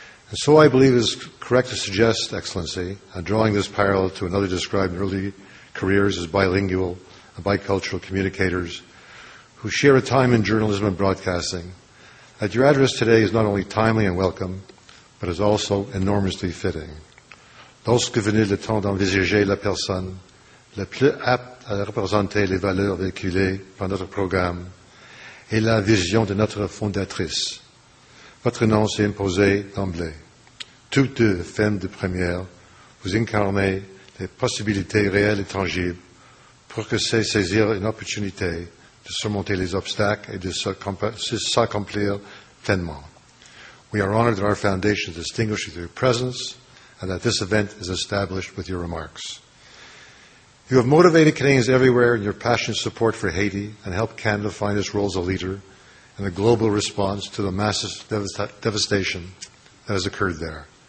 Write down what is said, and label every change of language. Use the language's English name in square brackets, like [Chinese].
[English] And so I believe it is correct to suggest, Excellency, drawing this parallel to another described in early careers as bilingual and bicultural communicators who share a time in journalism and broadcasting, that your address today is not only timely and welcome, but is also enormously fitting. [French] Lorsque venait le temps d'envisager la personne la plus apte à représenter les valeurs véhiculées par notre programme et la vision de notre fondatrice, votre nom s'est imposé d'emblée. Toutes deux femmes de première, vous incarnez les possibilités réelles et tangibles pour que c'est saisir une opportunité de surmonter les obstacles et de s'accomplir pleinement. [English] We are honored that our foundation is distinguished with your presence and that this event is established with your remarks. You have motivated Canadians everywhere in your passionate support for Haiti and helped Canada find its role as a leader in the global response to the massive devastation that has occurred there.